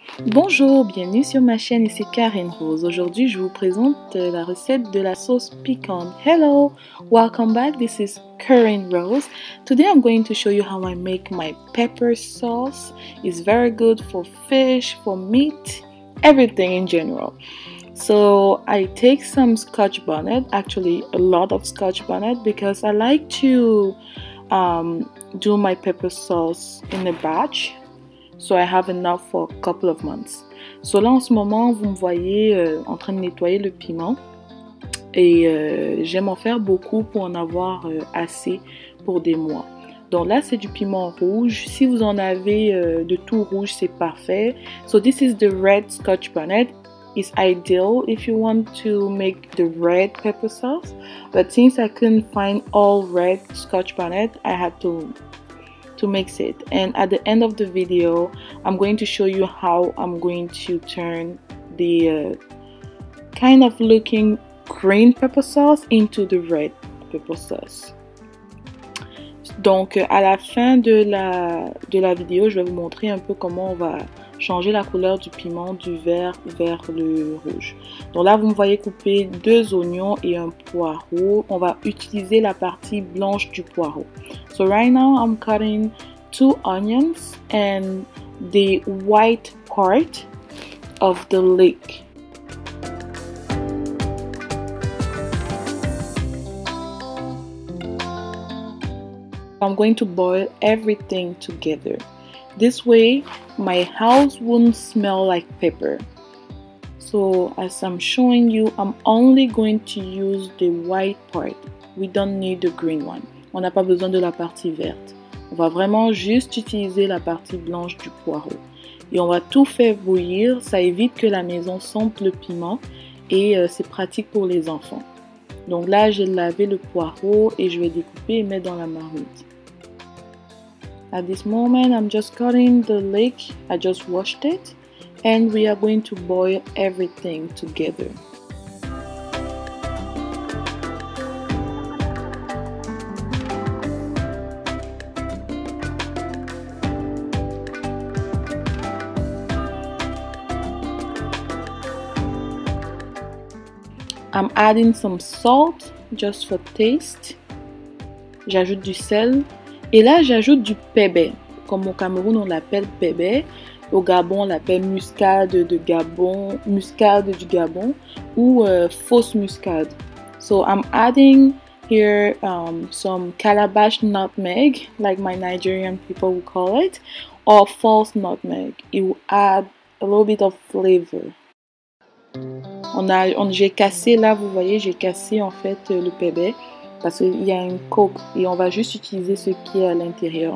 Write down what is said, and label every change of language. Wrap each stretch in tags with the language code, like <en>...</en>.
<fr>Bonjour, bienvenue sur ma chaîne, ici Karine Rose. Aujourd'hui, je vous présente la recette de la sauce piquante.</fr> <en>Hello, welcome back, this is Karine Rose. Today, I'm going to show you how I make my pepper sauce. It's very good for fish, for meat, everything in general. So, I take some scotch bonnet, actually a lot of scotch bonnet, because I like to do my pepper sauce in a batch. So I have enough for a couple of months.</en> <fr>So là en ce moment, vous me voyez en train de nettoyer le piment. Et j'aime en faire beaucoup pour en avoir assez pour des mois. Donc là, c'est du piment rouge. Si vous en avez de tout rouge, c'est parfait.</fr> <en>So this is the red scotch bonnet. It's ideal if you want to make the red pepper sauce. But since I couldn't find all red scotch bonnet, I had to mix it, and at the end of the video I'm going to show you how I'm going to turn the kind of looking green pepper sauce into the red pepper sauce.</en> <fr>Donc à la fin de la vidéo, je vais vous montrer un peu comment on va changer la couleur du piment du vert vers le rouge. Donc là, vous me voyez couper deux oignons et un poireau. On va utiliser la partie blanche du poireau.</fr> <en>So right now, I'm cutting two onions and the white part of the leek. I'm going to boil everything together. This way, my house won't smell like pepper. So as I'm showing you, I'm only going to use the white part. We don't need the green one.</en> <fr>On n'a pas besoin de la partie verte. On va vraiment juste utiliser la partie blanche du poireau. Et on va tout faire bouillir. Ça évite que la maison sente le piment. Et c'est pratique pour les enfants. Donc là, j'ai lavé le poireau et je vais découper et mettre dans la marmite.</fr> <en>At this moment, I'm just cutting the leek. I just washed it. And we are going to boil everything together. I'm adding some salt just for taste.</en> <fr>J'ajoute du sel. Et là, j'ajoute du pebe. Comme au Cameroun, on l'appelle pebe. Au Gabon, on l'appelle muscade de Gabon, muscade du Gabon, ou fausse muscade.</fr> <en>So, I'm adding here some calabash nutmeg, like my Nigerian people would call it, or false nutmeg. It will add a little bit of flavor.</en> <fr>J'ai cassé, là, vous voyez, j'ai cassé en fait le pebe. Parce qu'il y a une coque et on va juste utiliser ce qui est à l'intérieur.</fr>